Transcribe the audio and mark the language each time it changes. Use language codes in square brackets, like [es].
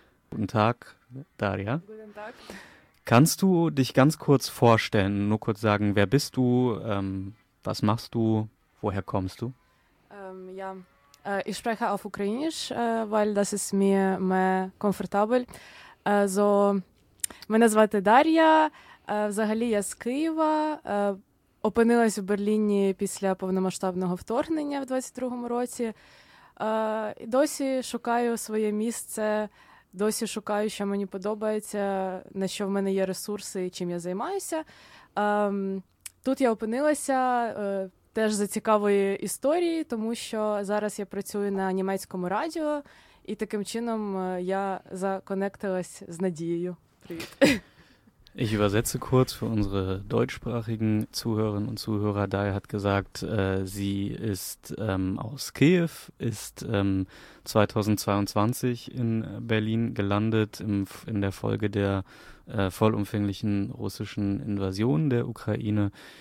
[de] Guten Tag, Daria. Guten Tag. Kannst du dich ganz kurz vorstellen, nur kurz sagen, wer bist du, was machst du, woher kommst du? Ich spreche auf Ukrainisch, weil das ist mir mehr komfortabel. [uk] Also, мене звати Дар'я. Взагалі я з Києва, опинилась у Берліні після повномасштабного вторгнення в 22-му році. І досі шукаю своє місце, досі шукаю, що мені подобається, на що в мене є ресурси і чим я займаюся. Тут я опинилася теж за цікавою історією, тому що зараз я працюю на німецькому радіо, і таким чином я законектилась з Надією. Привіт! [de] Ich übersetze kurz für unsere deutschsprachigen Zuhörerinnen und Zuhörer. Daria hat gesagt, sie ist aus Kiew, ist 2022 in Berlin gelandet in der Folge der vollumfänglichen russischen Invasion der Ukraine.